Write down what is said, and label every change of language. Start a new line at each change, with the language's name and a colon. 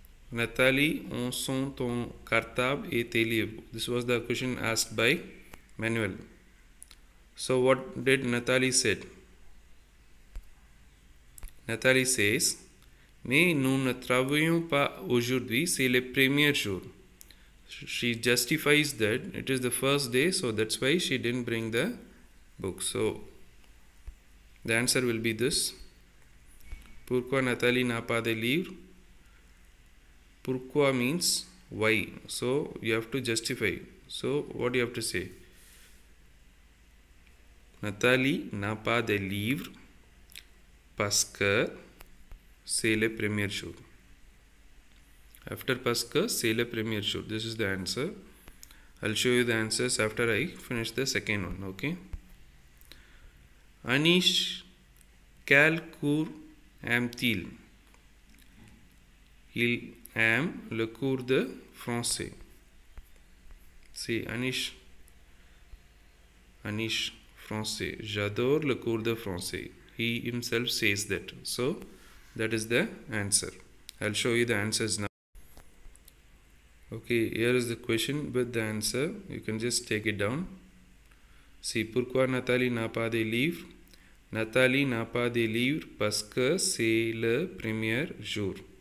French: Nathalie, on sent ton cartable et tes livres.
English: This was the question asked by Manuel. So what did Nathalie said? Nathalie says,
French: mais nous ne travaillons pas aujourd'hui, c'est le premier jour.
English: She justifies that it is the first day, so that's why she didn't bring the book. So the answer will be this.
French: Pourquoi Nathalie n'a pas de livre?
English: Pourquoi means why. So you have to justify. So what do you have to say?
French: Nathalie n'a pas de livre parce que c'est le premier jour.
English: After
French: parce que c'est le premier jour.
English: This is the answer. I'll show you the answers after I finish the second one.
French: Okay. Anish, quel cours aime-t-il? Il aime le cours de français.
English: See, Anish.
French: Anish, français. J'adore le cours de français.
English: He himself says that. So, that is the answer. I'll show you the answers now. Okay, here is the question with the answer. You can just take it down. See,
French: pourquoi Nathalie n'a pas de livre? Nathalie n'a pas de livre parce que c'est le premier jour.